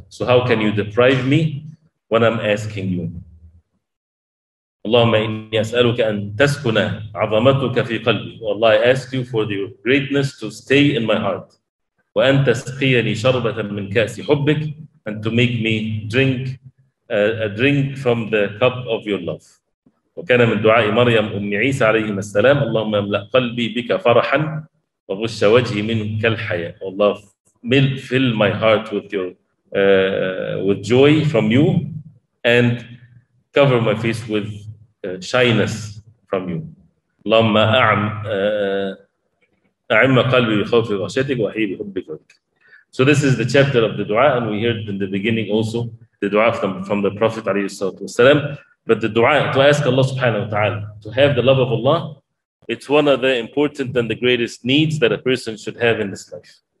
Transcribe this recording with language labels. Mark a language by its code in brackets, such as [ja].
[en] So how can you deprive me when I'm asking you. [ar] اللهم إني أسألك أن تسكن عظمتك في قلبي. [en] والله, I ask you for your greatness to stay in my heart. [ar] وأن تسقيني شربة من كأس حبك, [en] and to make me drink a drink from the cup of your love. [ar] وكان من دعاء مريم أم عيسى عليهما السلام اللهم املأ قلبي بك فرحا وغش وجهي منك الحياة. [en] Allah, fill my heart with your with joy from you and cover my face with shyness from you. [ar] اللهم أعم قلبي بخوف غشيتك وحيي بحبك. [en] So this is the chapter of the dua, and we heard in the beginning also the dua from the Prophet ﷺ. But the dua to ask Allah subhanahu wa ta'ala to have the love of Allah It's one of the important and the greatest needs that a person should have in this life.